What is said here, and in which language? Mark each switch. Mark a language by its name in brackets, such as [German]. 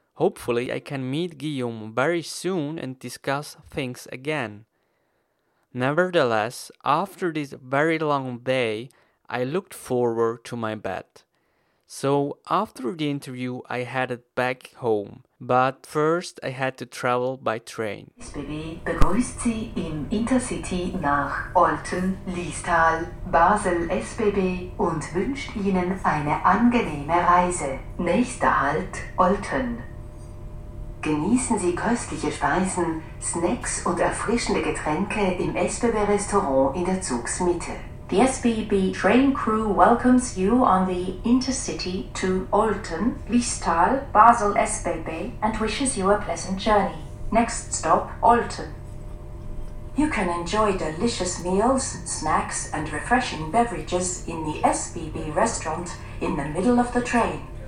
[English] Hopefully, I can meet Guillaume very soon and discuss things again. Nevertheless, after this very long day, I looked forward to my bed. So, after the interview, I headed back home. But first, I had to travel by train. [German] SBB begrüßt Sie im Intercity nach Olten, Liestal, Basel SBB und wünscht Ihnen eine angenehme Reise. Nächster Halt, Olten. Genießen Sie köstliche Speisen, Snacks und erfrischende Getränke im SBB-Restaurant in der Zugsmitte. [English] The SBB train crew welcomes you on the Intercity to Olten, Liestal, Basel SBB and wishes you a pleasant journey. Next stop, Olten. You can enjoy delicious meals, snacks and refreshing beverages in the SBB restaurant in the middle of the train.